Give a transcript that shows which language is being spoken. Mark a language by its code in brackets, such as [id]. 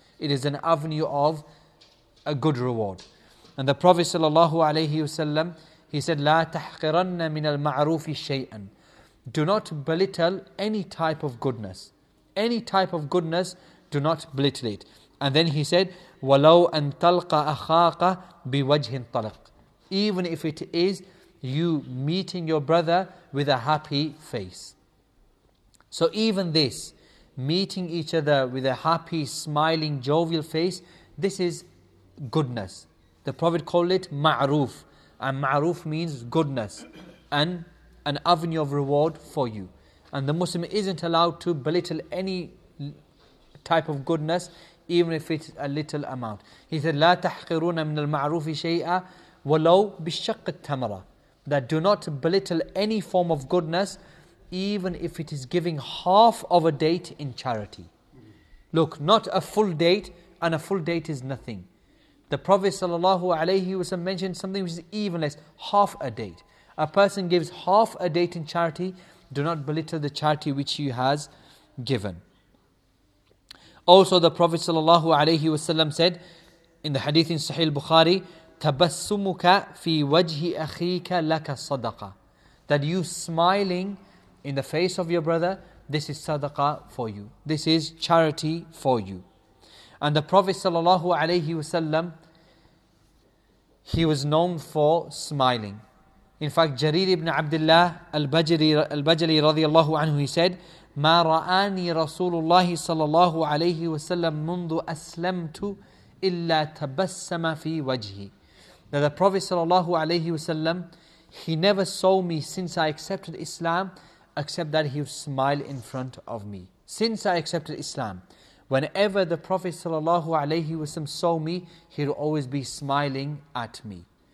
[en] It is an avenue of a good reward. And the Prophet sallallahu alayhi wasallam, he said, [ar] لَا تَحْقِرَنَّ مِنَ الْمَعْرُوفِ شَيْئًا. [en] Do not belittle any type of goodness. Any type of goodness, do not belittle it. And then he said, [ar] وَلَوْ أَن تَلْقَ أَخَاقَ بِوَجْهٍ طَلَقٍ. [en] Even if it is you meeting your brother with a happy face. So even this, meeting each other with a happy, smiling, jovial face, this is goodness. The Prophet called it ma'roof. And ma'roof means goodness and an avenue of reward for you. And the Muslim isn't allowed to belittle any type of goodness, even if it's a little amount. He said, [ar] لَا تَحْقِرُونَ مِنَ الْمَعْرُوفِ شَيْئًا وَلَوْ بِالشَّقِّ التَّمَرَى. [en] That do not belittle any form of goodness, even if it is giving half of a date in charity. Look, not a full date, and a full date is nothing. The Prophet sallallahu alayhi wasallam mentioned something which is even less, half a date. A person gives half a date in charity, do not belittle the charity which he has given. Also, the Prophet sallallahu alayhi wasallam said in the hadith in Sahih al-Bukhari, [ar] تَبَسُّمُكَ فِي وَجْهِ أَخِيكَ لَكَ صَدَقَةً. [en] That you smiling in the face of your brother, this is sadaqah for you. This is charity for you. And the Prophet sallallahu alayhi wasallam, he was known for smiling. In fact, Jarir ibn Abdullah al-Bajali radiallahu anhu, he said, [ar] مَا رَآنِي رَسُولُ اللَّهِ صَلَى اللَّهُ عَلَيْهِ وَسَلَّمْ مُنْذُ أَسْلَمْتُ إِلَّا تَبَسَّمَ فِي وَجْهِ. [en] Now the Prophet sallallahu alayhi wasallam, he never saw me since I accepted Islam, except that he would smile in front of me. Since I accepted Islam, Whenever the Prophet sallallahu alayhi wasallam saw me, he'd always be smiling at me.